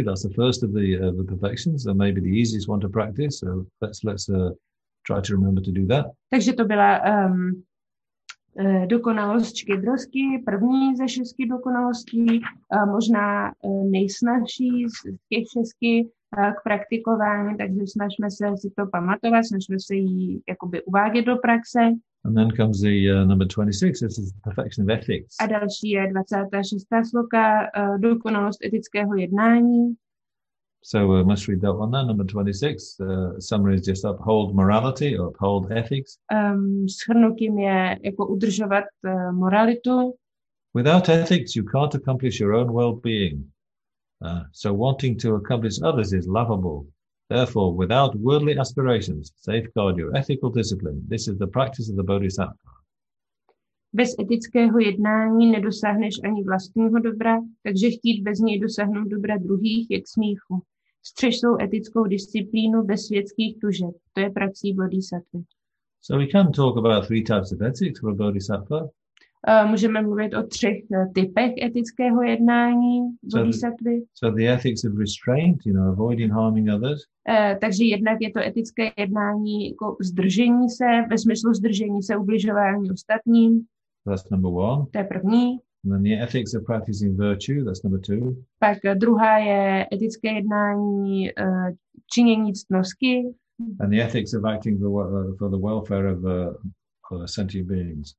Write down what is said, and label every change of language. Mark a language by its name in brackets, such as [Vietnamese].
[English] That's the first of the perfections, and maybe the easiest one to practice. So let's try to remember to do that. [Czech] Takže to byla dokonalost štědrosti, první ze šesti dokonalostí, možná nejsnažší z těch šesti k praktikování. Takže snažme se si to pamatovat, snažme se ji jakoby uvádět do praxe. [English] And then comes the number 26, this is the perfection of ethics. [Czech] A další je 26. sloka, dokonalost etického jednání. [English] So we must read that one now, number 26. Summary is just uphold morality or uphold ethics. [Czech] Shrnutím je jako udržovat moralitu. [English] Without ethics, you can't accomplish your own well-being. So wanting to accomplish others is lovable. Therefore, without worldly aspirations, safeguard your ethical discipline. This is the practice of the Bodhisattva. [Czech] Bez etického jednání nedosáhneš ani vlastního dobra, takže chtít bez něj dosáhnout dobra druhých je k smíchu. Střež svou etickou disciplínu bez světských tužeb. To je praxí Bodhisattva. [English] So we can talk about three types of ethics for a Bodhisattva. [Czech] Můžeme mluvit o třech typech etického jednání bodhisattvy. [English] So the ethics of restraint, you know, avoiding harming others. [Czech] Takže jednak je to etické jednání jako zdržení se, ve smyslu zdržení se ubližování ostatním. [English] That's number one. [Czech] To je první. [English] And then the ethics of practicing virtue, that's number two. [Czech] Pak druhá je etické jednání činění ctnosti. [English] And the ethics of acting for the welfare of sentient beings.